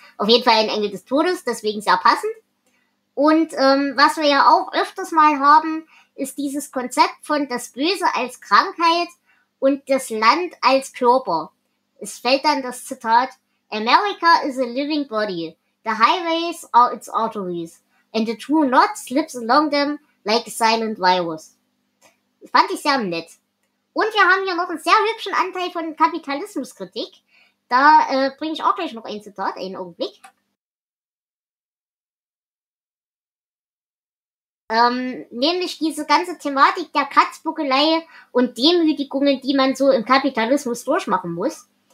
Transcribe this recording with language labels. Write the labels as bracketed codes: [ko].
[de] Auf jeden Fall ein Engel des Todes, deswegen sehr passend. Und was wir ja auch öfters mal haben, ist dieses Konzept von das Böse als Krankheit und das Land als Körper. Es fällt dann das Zitat, America is a living body. [en] The highways are its arteries. And the true knot slips along them like a silent virus. [de] Fand ich sehr nett. Und wir haben hier noch einen sehr hübschen Anteil von Kapitalismuskritik. Da bringe ich auch gleich noch ein Zitat, einen Augenblick. Nämlich diese ganze Thematik der Katzbuckelei und Demütigungen, die man so im Kapitalismus durchmachen muss.